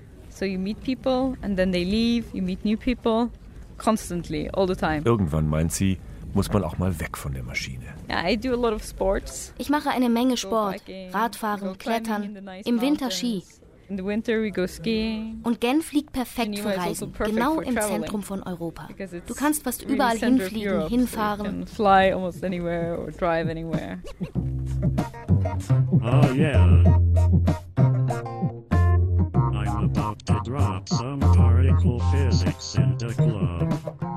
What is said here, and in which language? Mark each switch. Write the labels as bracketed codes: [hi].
[en] So you meet people and then they leave. You meet new people. Constantly, all the time. [de] Irgendwann, meint sie, muss man auch mal weg von der Maschine. [en] Yeah, I do a lot of sports. [de] Ich mache eine Menge Sport. Radfahren, Klettern, im Winter Ski. [en] In the winter we go skiing. [de] Und Genf liegt perfekt für Reisen, genau im Zentrum von Europa. Du kannst fast überall hinfliegen, hinfahren. [en] You can fly almost anywhere or drive anywhere. Oh yeah. I'm about to drop some particle physics in the club.